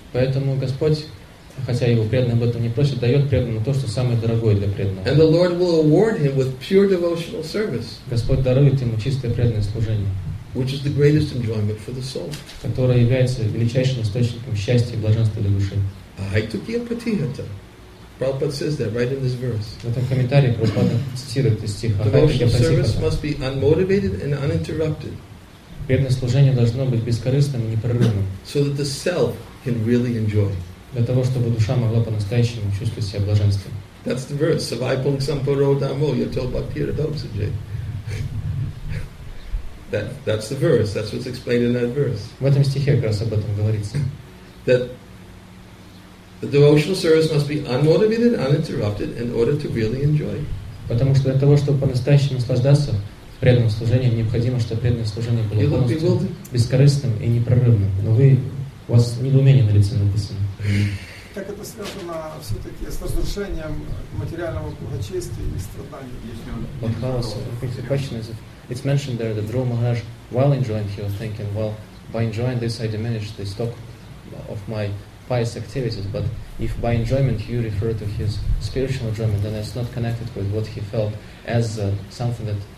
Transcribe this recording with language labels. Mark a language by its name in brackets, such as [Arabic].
[Russian] Поэтому Господь, хотя его преданный об этом не просит, дает преданному то, что самое дорогое для преданного. [English] And the Lord will award him with pure devotional service. [Russian] Господь дарует ему чистое преданное служение. [English] Which is the greatest enjoyment for the soul. [Russian] Которая является величайшим источником счастья и блаженства для души. [Sanskrit] Ahaitukya patihata. [English] Prabhupada says that right in this verse. [Russian] В этом комментарии Прабхупада цитирует из стиха. [English] Devotional service must be unmotivated and uninterrupted. [Russian] Преданное служение должно быть бескорыстным и непрерывным. [English] So that the self can really enjoy. [Russian] Для того, чтобы душа могла по-настоящему чувствовать себя блаженством. [English] That's the verse. [Sanskrit] Savaipung samparo dhammo yato bhaktira dobsajay. [English] That's the verse. That's what's explained in that verse. [Russian] В этом стихе как раз об этом говорится. [English] That the devotional service must be unmotivated, uninterrupted, in order to really enjoy. [Russian] Потому что для того, чтобы по-настоящему наслаждаться преданным служением, необходимо, чтобы преданное служение было полностью бескорыстным и непрерывным. Но у вас недоумение на лице написано. Как это связано все-таки с разрушением материального благочестия и страданий? [English] It's mentioned there that Dhruva Maharaj, while enjoying, he was thinking, well, by enjoying this, I diminish the stock of my pious activities. But if by enjoyment you refer to his spiritual enjoyment, then it's not connected with what he felt as something that...